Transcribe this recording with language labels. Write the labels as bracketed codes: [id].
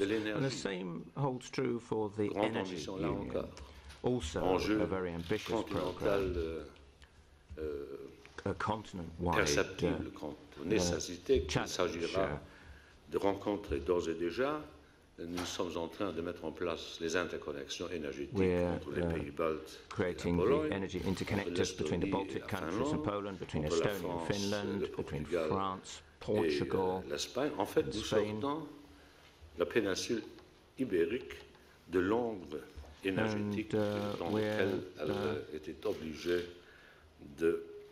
[en] And the same holds true for the Energy Union, also a very ambitious programme. A continent-wide [fr] perceptible nécessité qu'il s'agira de rencontrer d'ores et déjà. Nous sommes en train de mettre en place les interconnexions énergétiques entre les pays baltes et la Pologne, entre l'Estonie et la Finlande, entre la France, [en] between the Baltic countries and Poland, between Estonia and Finland, between France, Portugal, [fr] l'Espagne. En fait, nous sortons la péninsule ibérique de l'ombre énergétique dans laquelle elle était obligée de